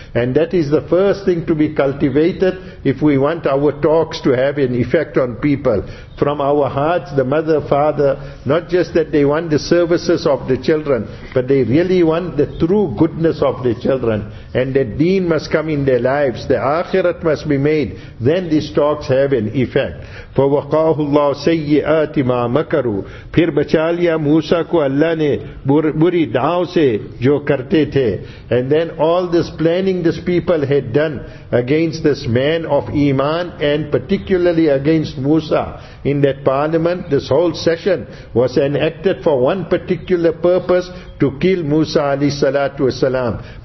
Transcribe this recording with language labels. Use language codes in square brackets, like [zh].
[en] And that is the first thing to be cultivated if we want our talks to have an effect on people. From our hearts, the mother, father, not just that they want the services of the children, but they really want the true goodness of the children. And the deen must come in their lives. The akhirat must be made. Then these talks have an effect. [ar] فَوَقَاهُ اللَّهُ سَيِّئَاتِ مَا مَكَرُوا [ur] پھر بچا لیا موسیٰ کو اللہ نے بری دعاؤں سے جو کرتے تھے. [en] And then all this planning this people had done against this man of Iman and particularly against Musa in that parliament, this whole session was enacted for one particular purpose, to kill Musa alayhi salatu wasalam.